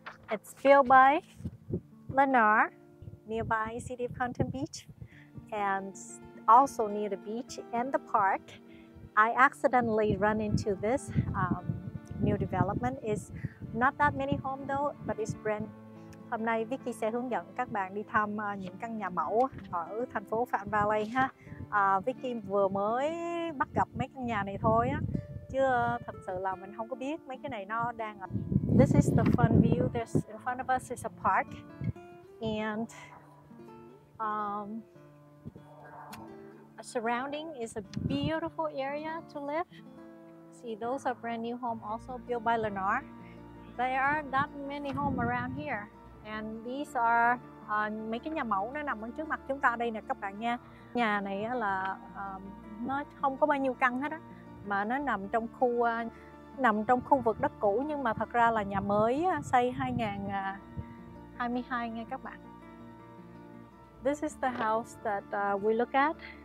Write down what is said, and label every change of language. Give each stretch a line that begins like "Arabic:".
English: It's built by Lennar, nearby City of Fountain Beach, and also near the beach and the park. I accidentally run into this new development. It's not that many homes though, but it's brand.
Vietnamese: Hôm nay Vicky sẽ hướng dẫn các bạn đi thăm những căn nhà mẫu ở thành phố Phạm Valley ha. Vicky vừa mới bắt gặp mấy căn nhà này thôi á. Chưa thật sự là mình không có biết mấy cái này nó đang ở.
English: This is the front view. There's in front of us is a park. And a surrounding is a beautiful area to live. See, those are brand new homes also built by Lennar. There aren't that many homes around here. And these are
Vietnamese: mấy cái nhà mẫu nó nằm ở trước mặt chúng ta đây nè các bạn nha. Nhà này là nó không có bao nhiêu căn hết á, mà nó nằm trong khu khu vực đất cũ, nhưng mà thật ra là nhà mới xây 2022 nha các bạn.
English: This is the house that we look at.